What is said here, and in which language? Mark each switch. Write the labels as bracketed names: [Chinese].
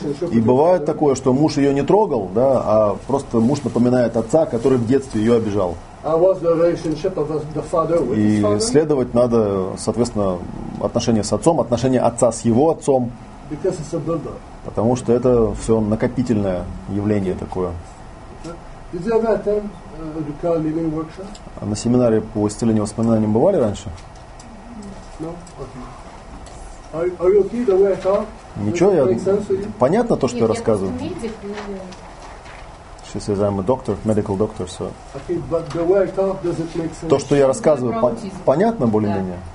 [Russian] И бывает такое, что муж ее не трогал, да, а просто муж напоминает отца, который в детстве ее обижал. И следовать надо, соответственно, отношения с отцом, отношения отца с его отцом. [English] Because it's a builder. [Russian] Потому что это все накопительное явление такое. [English] Did you ever attend the Recall Living Workshop? [Russian] А на семинаре по исцелению воспоминаниям бывали раньше? [English] No? Okay. Are you okay? [Russian] Ничего, you я... Понятно то, что нет, я рассказываю? Медик, медик. [English] She says I'm a doctor, medical doctor, so... Okay, but the way I talk, does it make sense? [Russian] То, что я рассказываю, понятно более-менее?